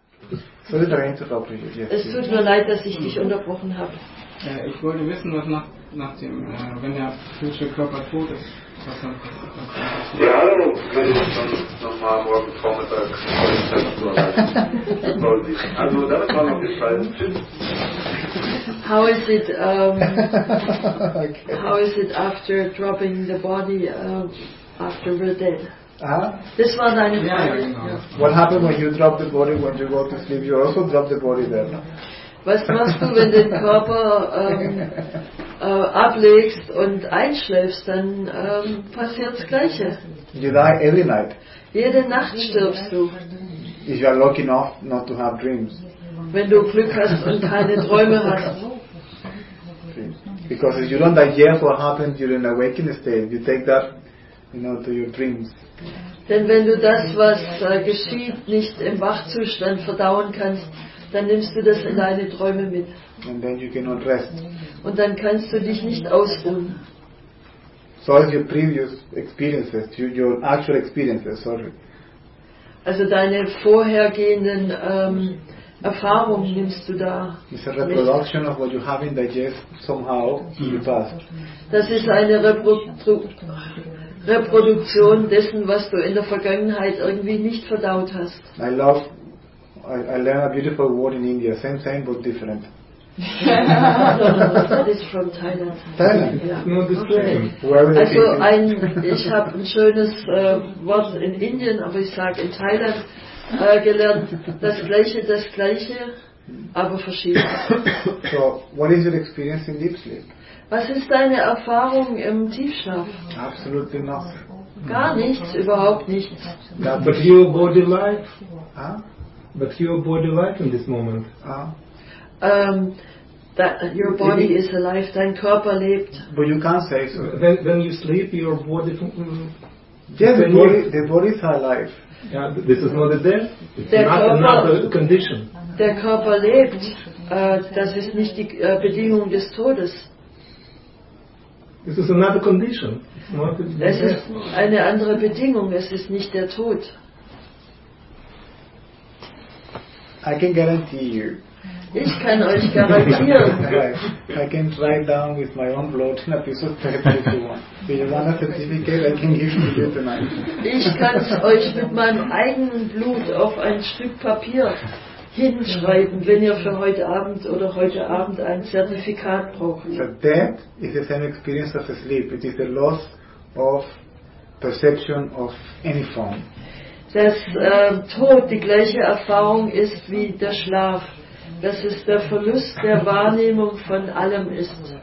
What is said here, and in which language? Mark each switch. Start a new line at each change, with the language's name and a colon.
German: Es tut mir leid, dass ich dich unterbrochen habe. Ich wollte wissen, was nach dem, wenn der physische Körper tot ist, was dann passiert. Ja, hallo. Wenn ich dann nochmal morgen Vormittag also, das war noch gescheit.
English: How is it after dropping the body after we're dead? This was an Yeah, yeah, yeah. What happened when you drop the body when you go to sleep? You also drop the body there. No?
German: Was machst du, wenn du den Körper ablegst und einschläfst? Dann passiert das Gleiche.
English: You die every night.
German: Jede Nacht stirbst du.
English: If you are lucky enough not to have dreams.
German: Wenn du Glück hast und keine Träume hast.
English: Because if you don't digest what happened during the waking state, you take that, you know, to your dreams.
German: Denn wenn du das, was geschieht, nicht im Wachzustand verdauen kannst, dann nimmst du das in deine Träume mit.
English: And then you cannot rest.
German: Und dann kannst du dich nicht ausruhen.
English: So are your previous experiences, your actual experiences, sorry.
German: Also deine vorhergehenden Erfahrungen nimmst du da.
English: It's a reproduction
German: mit.
English: Of what you have in digest somehow in the past.
German: Das ist eine Reproduktion dessen, was du in der Vergangenheit irgendwie nicht verdaut hast.
English: I love, I learned a beautiful word in India. Same, same, but different. That is from Thailand. Thailand? Yeah.
German: No, okay. Also, ich habe ein schönes Wort in Indien, aber ich sage in Thailand gelernt. Das Gleiche, aber verschieden.
English: So, what is your experience in deep sleep?
German: Was ist deine Erfahrung im Tiefschlaf? Absolut nicht. Gar nichts, überhaupt nichts.
English: But your body life? But your body life in this moment? That your body is alive,
German: dein Körper lebt.
English: But you can't say so. When you sleep, your body... Yeah, the body is alive. Yeah, this is not a death. It's not a condition.
German: Der Körper lebt. Das ist nicht die Bedingung des Todes.
English: This is another condition.
German: Es ist eine andere Bedingung. Es ist nicht der Tod.
English: I can guarantee you.
German: Ich kann euch garantieren.
English: I can write down with my own blood in a piece of paper if you want. If you want a certificate, I can give it to you tonight.
German: Ich kann es euch mit meinem eigenen Blut auf ein Stück Papier hinschreiben, wenn ihr für heute Abend oder heute Abend ein Zertifikat braucht.
English: So death is the same experience as a sleep. It is the loss of perception of any form.
German: Dass Tod die gleiche Erfahrung ist wie der Schlaf. Dass es der Verlust der Wahrnehmung von allem ist.